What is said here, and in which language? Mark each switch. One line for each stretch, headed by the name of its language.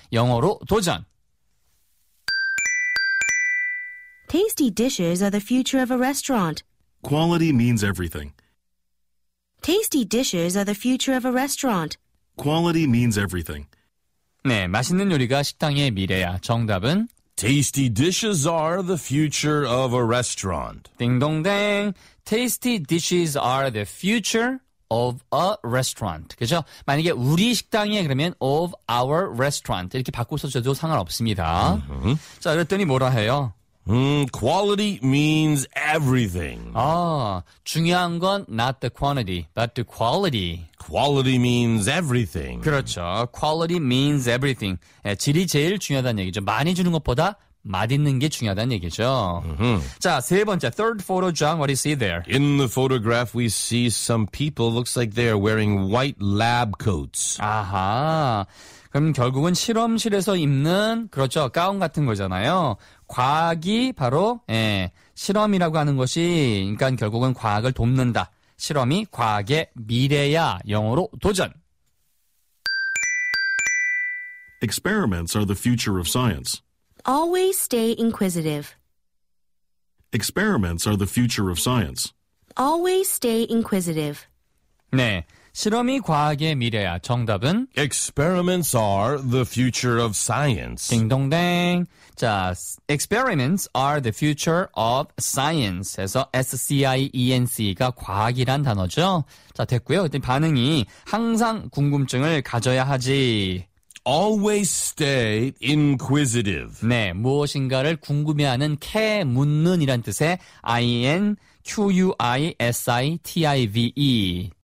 Korean: 영어로 도전.
English: Tasty dishes are the future of a restaurant. Quality means everything. Tasty dishes are the future of a restaurant. Quality means everything.
Korean: 네, 맛있는 요리가 식당의 미래야. 정답은
English: Tasty dishes are the future of a restaurant.
Korean: 딩동댕.
English: Tasty dishes are the future of a restaurant.
Korean: 그죠? 만약에 우리 식당이에요 그러면
English: of our restaurant
Korean: 이렇게 바꿔서 저도 상관없습니다. 자, 그랬더니 뭐라 해요?
English: Quality means everything.
Korean: 아, 중요한 건
English: not the quantity, but the quality. Quality means everything.
Korean: 그렇죠.
English: Quality means everything.
Korean: 예, 질이 제일 중요하다는 얘기죠. 많이 주는 것보다 맛있는 게 중요하다는 얘기죠. 자, 세 번째,
English: third photo, John, what do you see there? In the photograph, we see some people, looks like they are wearing white lab coats.
Korean: 아하, 그럼 결국은 실험실에서 입는, 그렇죠, 가운 같은 거잖아요. 과학이 바로 예, 실험이라고 하는 것이, 그러니까 결국은 과학을 돕는다. 실험이 과학의 미래야, 영어로 도전.
English: Experiments are the future of science. Always stay inquisitive. Experiments are the future of science. Always stay inquisitive.
Korean: 네, 실험이 과학의 미래야. 정답은?
English: Experiments are the future of science.
Korean: 딩동댕.
English: 자, experiments are the future of science.
Korean: 해서 S-C-I-E-N-C가 과학이란 단어죠. 자, 됐고요. 그때 반응이 항상 궁금증을 가져야 하지.
English: Always stay inquisitive.
Korean: 네, 무엇인가를 궁금해하는 캐 묻는이란 뜻의 I-N-Q-U-I-S-I-T-I-V-E.